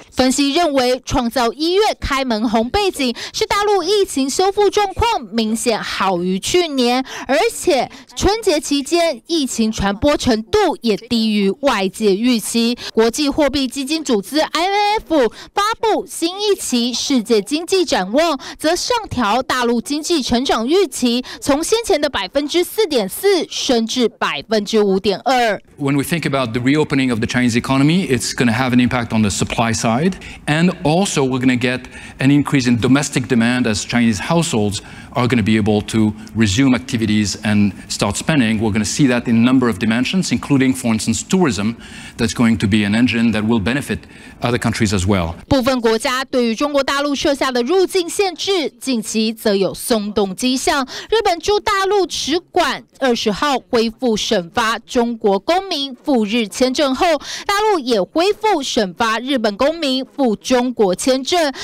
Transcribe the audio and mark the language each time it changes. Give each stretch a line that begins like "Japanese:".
Chinese: 分析认为，创造一月开门红背景是大陆疫情修复状况明显好于去年，而且春节期间疫情传播程度也低于外界预期。国际货币基金组织 IMF 发布新一期世界经济展望，则上调大陆经济成长预期，从先前的4.4%升至5.2%。
English: When we think about the reopening of the Chinese economy, it's going to have an impact on the supply side. And also, we're going to get an increase in domestic demand as Chinese households are going to be able to resume activities and start spending. We're going to see that in a number of dimensions, including, for instance, tourism. That's going to be an engine that will benefit other countries as well.
Chinese: 部分国家对于中国大陆设下的入境限制，近期则有松动迹象。日本驻大陆使馆20号恢复审发中国公民赴日签证后，大陆也恢复审发日本公民赴中国签证。